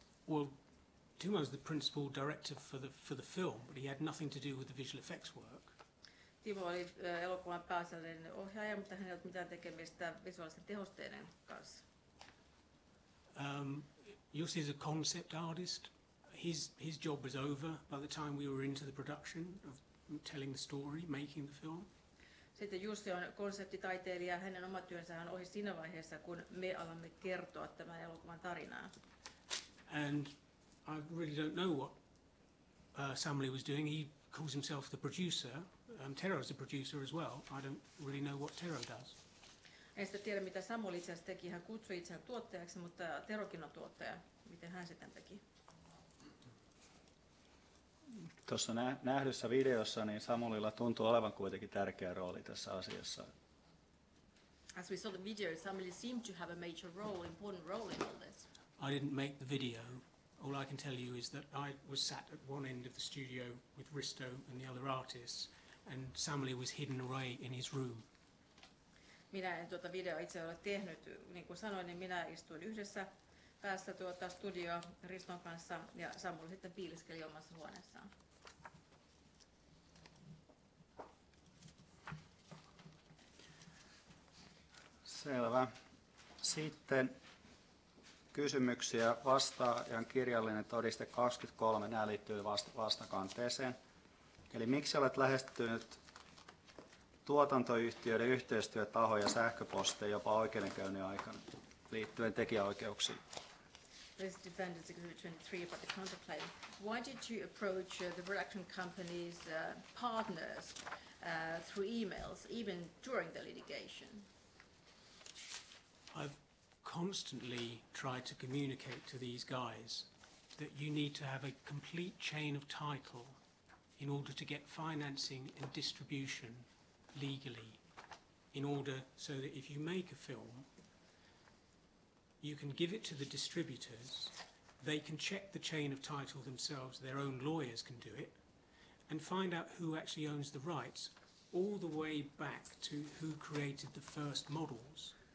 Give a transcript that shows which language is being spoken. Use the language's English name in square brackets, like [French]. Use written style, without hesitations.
[English] Well, Timo was the principal director for the film, but he had nothing to do with the visual effects work. [Finnish] Timo oli elokuvan pääasiallinen ohjaaja, mutta hän ei ollut mitään tekemistä visuaalisten tehosteiden kanssa. [English] Jussi is a concept artist. His job was over by the time we were into the production of telling the story, making the film. [Finnish] Sitten Jussi on konseptitaiteilija. Hänen oma työnsä on ohi siinä vaiheessa, kun me alamme kertoa tämän elokuvan tarinaa. [English] And I really don't know what Samuli was doing. He calls himself the producer. Tero is the producer as well. I don't really know what Tero does. [Finnish] En sitä tiedä, mitä Samuli itse asiassa teki. Hän kutsui itseään tuottajaksi, mutta Terokin on tuottaja. Miten hän sitten teki? Tuossa nähdyssä videossa niin Samulilla tuntuu olevan kuitenkin tärkeä rooli tässä asiassa. [English] As we saw the video, Samuli seemed to have a major role, important role in all this. I didn't make the video. All I can tell you is that I was sat at one end of the studio with Risto and the other artists, and Samuli was hidden away in his room. [Finnish] Minä en tuota videoa itse ole tehnyt, niin kuin sanoin, niin minä istuin yhdessä päässä studioa Riston kanssa ja Samuli sitten piiliskeli omassa huoneessaan. Selvä. Sitten kysymyksiä. Vastaajan kirjallinen todiste 23. Nämä liittyy vastakanteeseen. Eli miksi olet lähestynyt tuotantoyhtiöiden yhteistyötahoja sähköposteja jopa oikeudenkäynnin aikana liittyen tekijäoikeuksiin? [English] This is Defenders Exhibit 23 about the counterclaim. Why did you approach the production company's partners through emails, even during the litigation? I've constantly tried to communicate to these guys that you need to have a complete chain of title in order to get financing and distribution legally, in order so that if you make a film, you can give it to the distributors, they can check the chain of title themselves, their own lawyers can do it, and find out who actually owns the rights, all the way back to who created the first models.